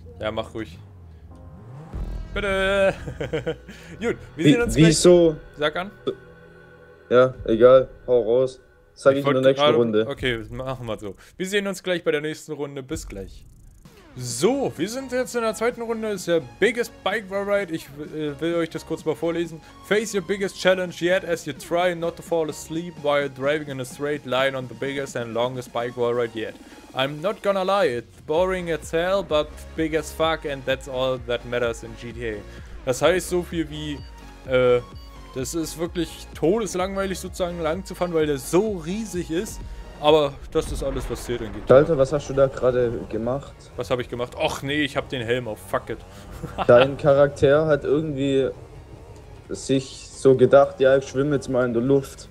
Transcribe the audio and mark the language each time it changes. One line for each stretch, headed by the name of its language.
German: Ja, mach ruhig. Bitte. Gut, wir sehen uns gleich. Wieso? Sag an. Ja, egal. Hau raus. Sag ich in der nächsten Runde. Okay, machen wir so. Wir sehen uns gleich bei der nächsten Runde. Bis gleich. So, wir sind jetzt in der zweiten Runde. Das ist der Biggest Bike Wall Ride. Ich will euch das kurz mal vorlesen.
English: Face your biggest challenge yet as you try not to fall asleep while driving in a straight line on the biggest and longest bike wall ride yet. I'm not gonna lie, it's boring as hell, but big as fuck and that's all that matters in GTA.
German: Das heißt so viel wie, das ist wirklich todeslangweilig sozusagen lang zu fahren, weil der so riesig ist. Aber das ist alles, was zählt in GTA. Alter, was hast du da gerade gemacht? Was habe ich gemacht? Och nee, ich habe den Helm auf,
English: fuck it.
German: Dein Charakter hat irgendwie sich so gedacht, ja, ich schwimme jetzt mal in der Luft.